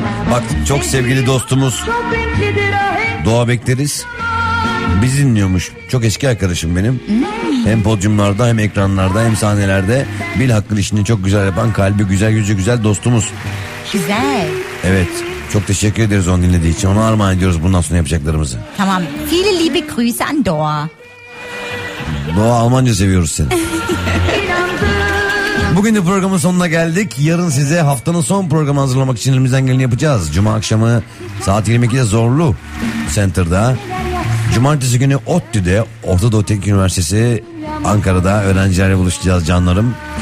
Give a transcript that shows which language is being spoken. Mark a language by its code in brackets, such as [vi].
[tr] Bak çok sevgili dostumuz Doğa Bekleriz bizi dinliyormuş. Çok eski arkadaşım benim. Hem podyumlarda hem ekranlarda hem sahnelerde bilhakkın işini çok güzel yapan kalbi güzel yüzü güzel dostumuz. Güzel. Evet. Çok teşekkür ederiz onu dinlediği için. Onu armağan ediyoruz bundan sonra yapacaklarımızı. Tamam. [de] Viele liebe Grüße an Doğa. [tr] Doğa Almanca seviyoruz seni. Bugün de programın sonuna geldik. Yarın size haftanın son programı hazırlamak için elimizden geleni yapacağız. Cuma akşamı saat 22'de Zorlu Center'da. Cumartesi günü ODTÜ'de Orta Doğu Teknik Üniversitesi Ankara'da öğrencilerle buluşacağız canlarım.